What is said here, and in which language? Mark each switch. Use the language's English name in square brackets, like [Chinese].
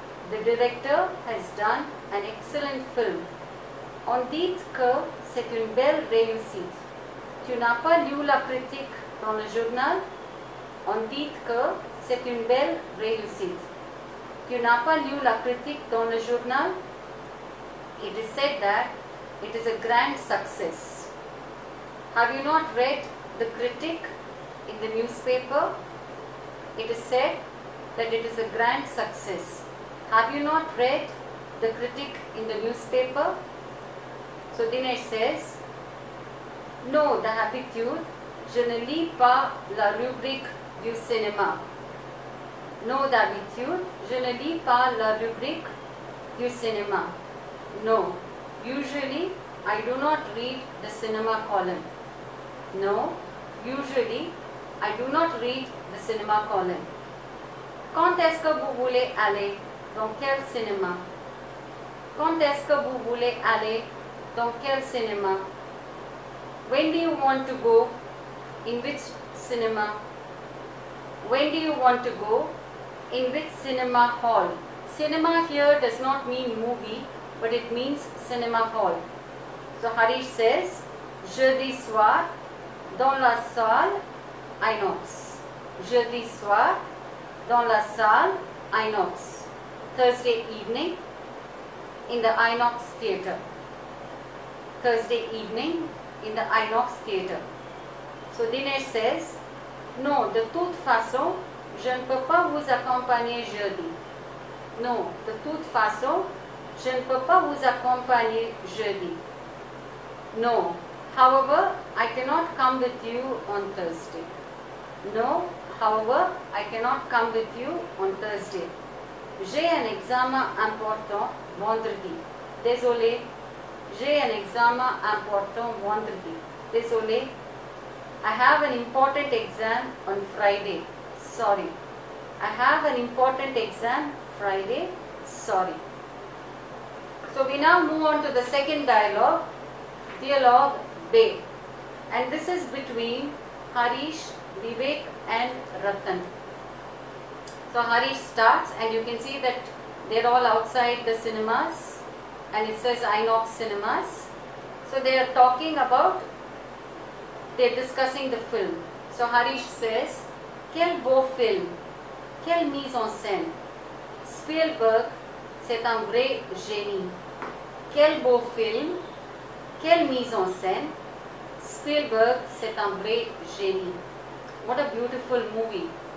[English] The director has done an excellent film. [French] On dit que c'est une belle réussite. Tu n'as pas lu la critique dans le journal? On dit que c'est une belle réussite. Tu n'as pas lu la critique dans le journal? [English] It is said that it is a grand success. Have you not read the critique in the newspaper? It is said that it is a grand success. Have you not read the critic in the newspaper? So Dinesh says, [French] No, the habitude, je ne lis pas la rubrique du cinéma. No, the habitude, je ne lis pas la rubrique du cinéma. [English] No, usually I do not read the cinema column. No, usually I do not read the cinema column. [French] Quand est-ce que vous voulez aller dans quel cinéma? Quand est-ce que vous voulez aller dans quel cinéma? [English] When do you want to go? In which cinema? When do you want to go? In which cinema hall? Cinema here does not mean movie, but it means cinema hall. So Harish says, [French] Jeudi soir, dans la salle, Inox. Jeudi soir, dans la salle, Inox. [English] Thursday evening, in the Inox theater. Thursday evening, in the Inox theater. So Dinesh says, [French] Non, de toute façon, je ne peux pas vous accompagner jeudi. Non, de toute façon, je ne peux pas vous accompagner jeudi. [English] Non, however, I cannot come with you on Thursday. No, however, I cannot come with you on Thursday. [French] J'ai un examen important vendredi. Désolé. J'ai un examen important vendredi. Désolé. [English] I have an important exam on Friday. Sorry. I have an important exam Friday. Sorry. So we now move on to the second dialogue. Dialogue B. And this is between Harish, Vivek and Ratan. So Harish starts and you can see that they are all outside the cinemas and it says Inox Cinemas. So they are talking about, they are discussing the film. So Harish says, [French] Quel beau film, quelle mise en scène. Spielberg, c'est un vrai génie. Quel beau film, quelle mise en scène. Spielberg, c'est un vrai génie. [English] What a beautiful movie.